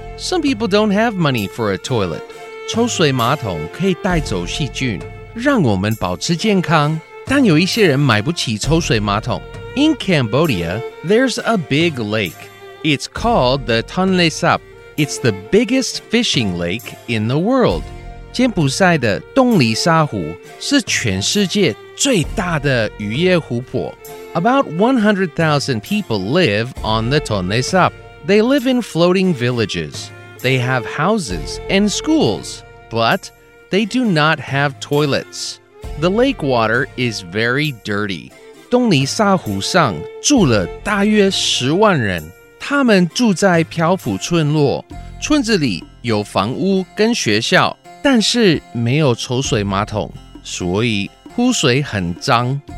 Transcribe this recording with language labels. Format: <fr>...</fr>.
<en>Some people don't have money for a toilet.</en> <zh>抽水马桶可以带走细菌，让我们保持健康。但有一些人买不起抽水马桶。</zh> <en>In Cambodia, there's a big lake. It's called the Tonle Sap. It's the biggest fishing lake in the world.</en> <zh>柬埔寨的洞里薩湖是全世界最大的漁業湖泊。</zh> <en>About 100,000 people live on the Tonle Sap. They live in floating villages. They have houses and schools, but they do not have toilets. The lake water is very dirty.</en> <zh>洞里薩湖上住了大约十万人。他们住在漂浮村落。村子里有房屋跟学校。但是没有抽水马桶。所以湖水很髒。</zh>